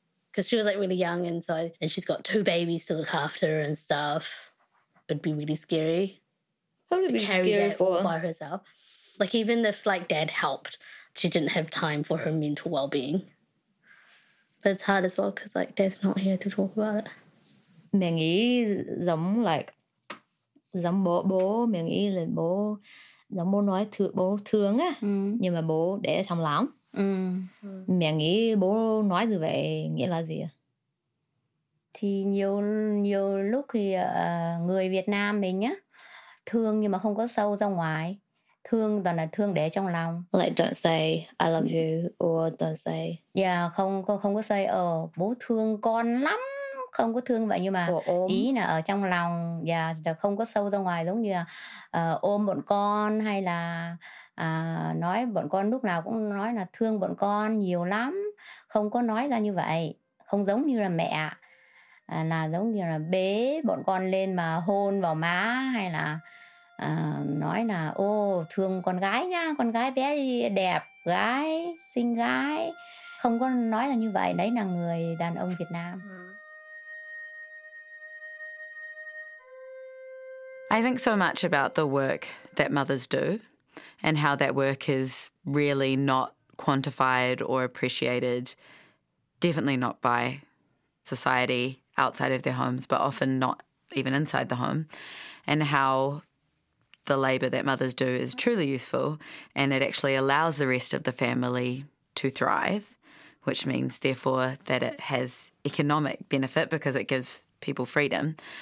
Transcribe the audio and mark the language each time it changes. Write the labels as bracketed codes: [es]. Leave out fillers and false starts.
[en] Because she was, like, really young, and so and she's got two babies to look after and stuff. It'd be really scary. Probably be scary for her. By herself. Like, even if, like, dad helped, she didn't have time for her mental well-being. But it's hard as well because, like, dad's not here to talk about it. [vi] Mẹ nghĩ giống, like, giống bố. Mẹ nghĩ là bố, giống bố nói bố thương á. Nhưng mà bố để trong lòng. Mẹ nghĩ bố nói như vậy nghĩa là gì? Thì nhiều lúc thì người Việt Nam mình nhá, thương nhưng mà không có sâu ra ngoài, thương toàn là thương để trong lòng. [en] Like don't say I love you or don't say. [vi] Yeah, không có say ở bố thương con lắm, không có thương vậy, nhưng mà ý là ở trong lòng, yeah, không có sâu ra ngoài giống như là ôm bọn con hay là nói bọn con lúc nào cũng nói là thương bọn con nhiều lắm, không có nói ra như vậy, không giống như là mẹ là giống như là bế bọn con lên mà hôn vào má hay là nói là ô thương con gái nha, con gái bé đẹp, gái xinh gái, không có nói là như vậy, đấy là người đàn ông Việt Nam. [en] I think so much about the work that mothers do and how that work is really not quantified or appreciated, definitely not by society outside of their homes, but often not even inside the home, and how the labour that mothers do is truly useful, and it actually allows the rest of the family to thrive, which means, therefore, that it has economic benefit because it gives people freedom.